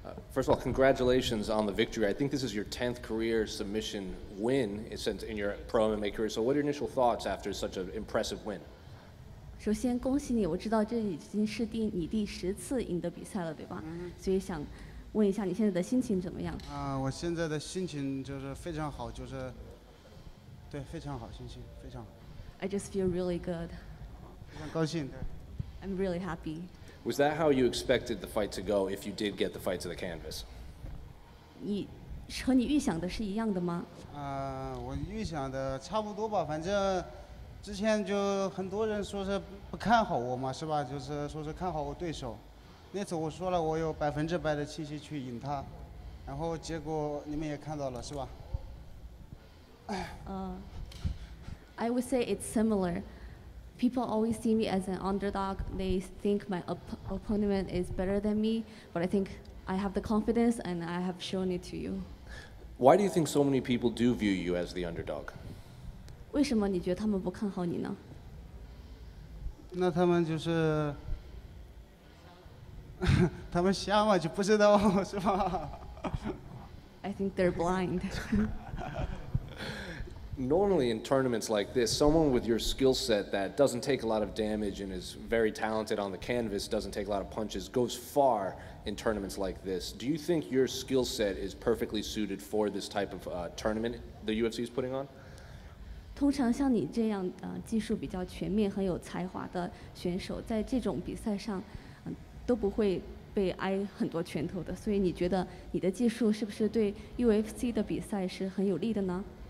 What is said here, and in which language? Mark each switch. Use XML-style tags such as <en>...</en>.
<en>First of all, congratulations on the victory. I think this is your 10th career submission win since in your pro MMA career. So what are your initial thoughts after such an impressive win?</en> <zh>首先恭喜你，我知道这已经是第你第十次赢得比赛了，对吧？所以想问一下你现在的心情怎么样？我现在的心情就是非常好，就是对，非常好，心情非常好。</zh> <en>I just feel really good.</en> <zh>非常高兴。对。</zh> <en>I'm really happy. Was that how you expected the fight to go if you did get the fight to the canvas?</en> <zh>你和你预想的是一样的吗？我预想的差不多吧，反正之前就很多人说是不看好我嘛，是吧？就是说是看好我对手。那次我说了，我有100%的信心去赢他，然后结果你们也看到了，是吧？</zh> <en>I would say it's similar. People always see me as an underdog. They think my opponent is better than me, but I think I have the confidence and I have shown it to you. Why do you think so many people do view you as the underdog?</en> <zh>为什么你觉得他们不看好你呢？那他们就是，他们瞎嘛，就不知道是吧？</zh> <en>I think they're blind. Normally in tournaments like this, someone with your skill set that doesn't take a lot of damage and is very talented on the canvas, doesn't take a lot of punches, goes far in tournaments like this. Do you think your skill set is perfectly suited for this type of tournament the UFC is putting on?</en> <zh>通常像你这样技术比较全面很有才华的选手在这种比赛上都不会被挨很多拳头的。所以你觉得你的技术是不是对 UFC 的比赛是很有利的呢？</zh>